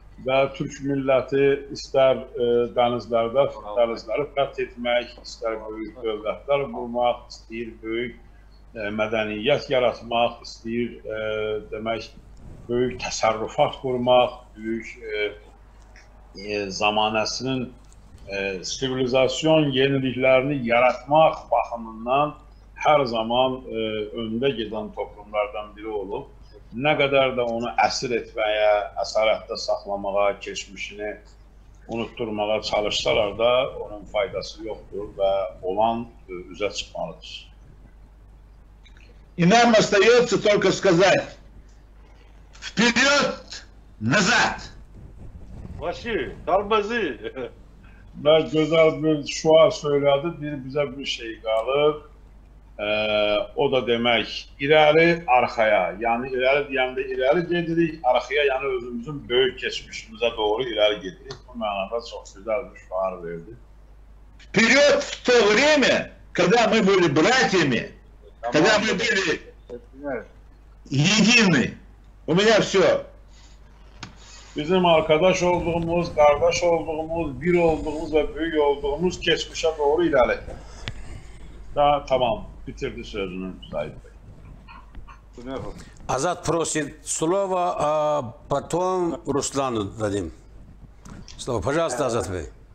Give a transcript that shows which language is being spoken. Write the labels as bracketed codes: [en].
[az] Və Türk milləti istər dənizləri fəth etmək, istər böyük dövlətlər qurmaq, istəyir böyük mədəniyyət yaratmaq, istəyir demək, böyük təsərrüfat qurmaq, böyük zamanəsinin sivilizasyon yeniliklərini yaratmaq baxımından hər zaman öndə gedən toplumlardan biri olub. Nə qədər də onu əsir etməyə, əsarətdə saxlamağa, keçmişini unutturmağa çalışsalar da onun faydası yoxdur və olan üzə çıxmalıdır. [ru] И нам остается только сказать вперед, назад. Ваши тормози. [tr] Да, güzel bir şua söyledi. Bir bize bir şey kalır. O da demek ileri arkaya. Yani ileri diyende ileri gidirik. Arkaya yani özümüzün büyük geçmişimize doğru ileri gidirik. Bu manada çok güzel bir şua verdi. [ru] Вперед в то время, когда мы были братьями, когда мы были едины, у меня все. [tr] Bizim arkadaş olduğumuz, kardeş olduğumuz, bir olduğumuz ve büyük olduğumuz geçmişe doğru ilerledi. Daha tamam, bitirdi sözünü Zahid Bey. [ru] Azad prosит слово, а потом Руслану дадим. Слово, пожалуйста, Азад Бей.